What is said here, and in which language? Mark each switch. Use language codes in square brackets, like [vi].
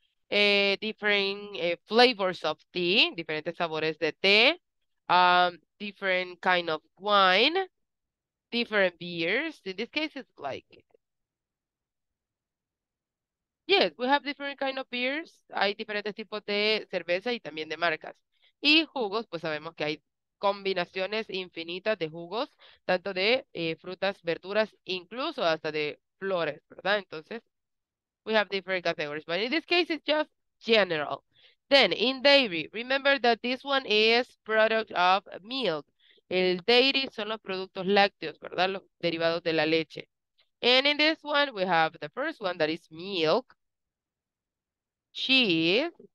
[en] Different flavors of tea, [es] diferentes sabores de té, [en] different kind of wine, different beers. In this case, it's like, yes, we have different kind of beers. [es] Hay diferentes tipos de cerveza y también de marcas. Y jugos, pues sabemos que hay combinaciones infinitas de jugos, tanto de frutas, verduras, incluso hasta de flores, ¿verdad? [en] Entonces, we have different categories, but in this case, it's just general. Then, in dairy, remember that this one is product of milk. [es] El dairy son los productos lácteos, ¿verdad? Los derivados de la leche. [en] And in this one, we have the first one that is milk, cheese,